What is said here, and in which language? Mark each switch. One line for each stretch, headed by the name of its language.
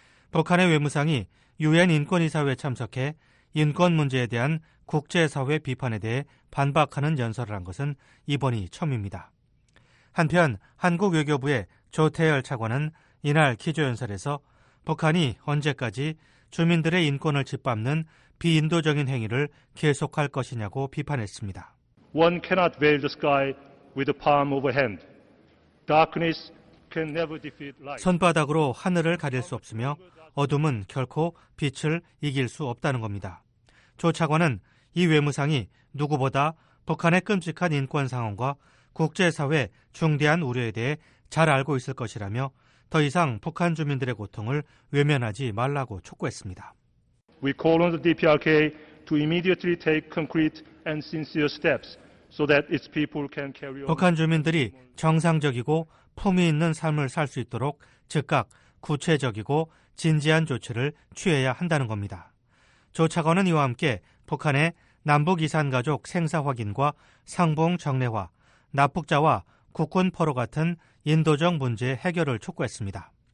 Korean: 북한의 외무상이 유엔 인권이사회에 참석해 인권 문제에 대한 국제사회 비판에 대해 반박하는 연설을 한 것은 이번이 처음입니다. 한편 한국 외교부의 조태열 차관은 이날 기조연설에서 북한이 언제까지 주민들의 인권을 짓밟는 비인도적인 행위를 계속할 것이냐고 비판했습니다.
English: One cannot veil the sky with the palm of a hand. Darkness can never defeat light.
Korean: 손바닥으로 하늘을 가릴 수 없으며 어둠은 결코 빛을 이길 수 없다는 겁니다. 조 차관은 이 외무상이 누구보다 북한의 끔찍한 인권 상황과 국제사회 중대한 우려에 대해 잘 알고 있을 것이라며 더 이상 북한 주민들의 고통을 외면하지 말라고 촉구했습니다.
English: We call on the DPRK to immediately take concrete and sincere steps so that its people can carry on.
Korean: 북한 주민들이 정상적이고 품위 있는 삶을 살 수 있도록 즉각 구체적이고 진지한 조치를 취해야 한다는 겁니다. 조 차관은 이와 함께 북한의 남북 이산가족 생사 확인과 상봉 정례화, 납북자와 국군 포로 같은 인도적 문제 해결을 촉구했습니다.